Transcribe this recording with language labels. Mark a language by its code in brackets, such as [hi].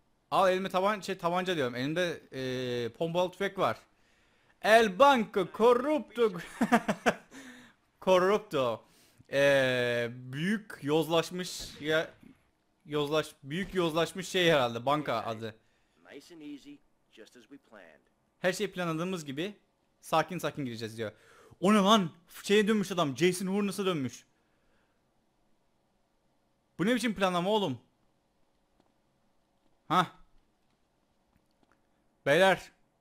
[tr] Al elime tabanca diyorum. Elimde pompalı tüfek var. [es] El banco corrupto. Corrupto. [tr] Büyük yozlaşmış ya büyük yozlaşmış şey herhalde banka adı. [en] Nice and easy, just as we planned. [tr] Her şey planladığımız gibi. Sakin sakin gireceğiz diyor. O ne lan? Şeye dönmüş adam. Jason Hurnas'a dönmüş. Bu ne biçim planlama oğlum? Hah. Beyler.